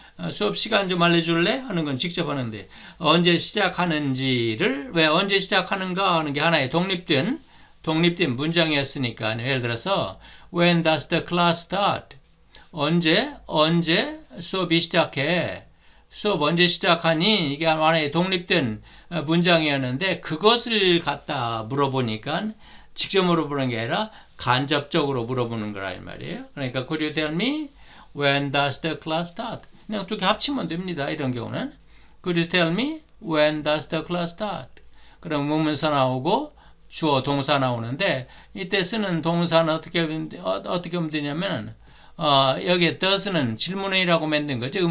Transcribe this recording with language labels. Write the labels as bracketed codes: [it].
[ko] 수업 시간 좀 알려줄래? 하는 건 직접 하는데 언제 시작하는지를 왜 언제 시작하는가 하는 게 하나의 독립된 문장이었으니까 예를 들어서 [en] When does the class start? [ko] 언제 수업이 시작해? 수업 언제 시작하니? 이게 하나의 독립된 문장이었는데 그것을 갖다 물어보니까 직접 물어보는 게 아니라 간접적으로 물어보는 거란 말이에요. 그러니까 [en] Could you tell me when does the class start? [ko] 그냥 두 개 합치면 됩니다. 이런 경우는 [en] Could you tell me when does the class start? [ko] 그럼 문문서 나오고 주어 동사 나오는데 이때 쓰는 동사는 어떻게 하면 되냐면 여기에 does는 질문이라고 만든 거죠.